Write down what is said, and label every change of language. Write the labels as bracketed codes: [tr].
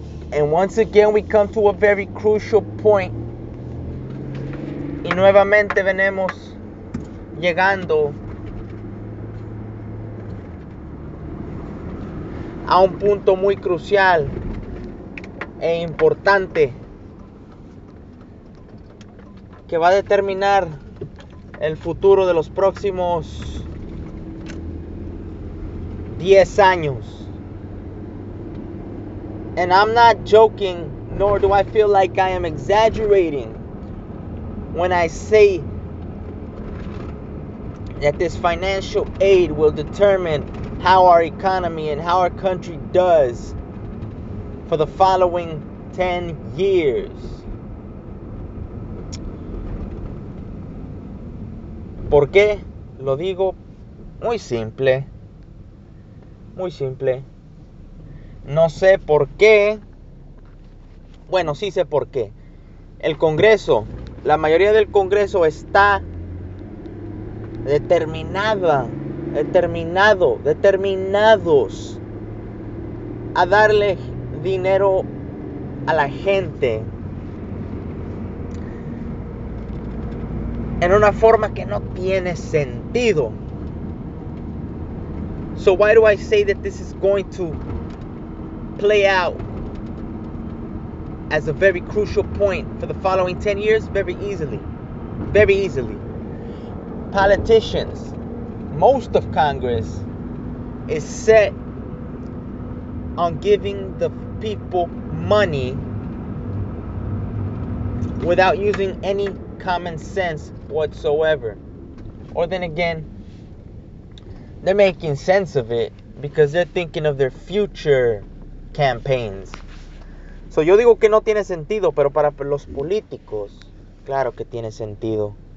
[en] And once again, we come to a very crucial point. [es] Y nuevamente venimos llegando a un punto muy crucial e importante que va a determinar el futuro de los próximos 10 años. [en] And I'm not joking, nor do I feel like I am exaggerating when I say that this financial aid will determine how our economy and how our country does for the following 10 years. [es] ¿Por qué? Lo digo muy simple. Muy simple. No sé por qué. Bueno, sí sé por qué. El Congreso, la mayoría del Congreso está determinados a darle dinero a la gente en una forma que no tiene sentido. [en] So why do I say that this is going to play out as a very crucial point for the following 10 years? Very easily. Very easily. Politicians, most of Congress, is set on giving the people money without using any common sense whatsoever. Or then again, they're making sense of it because they're thinking of their future campaigns. [es] So yo digo que no tiene sentido, pero para los políticos, claro que tiene sentido.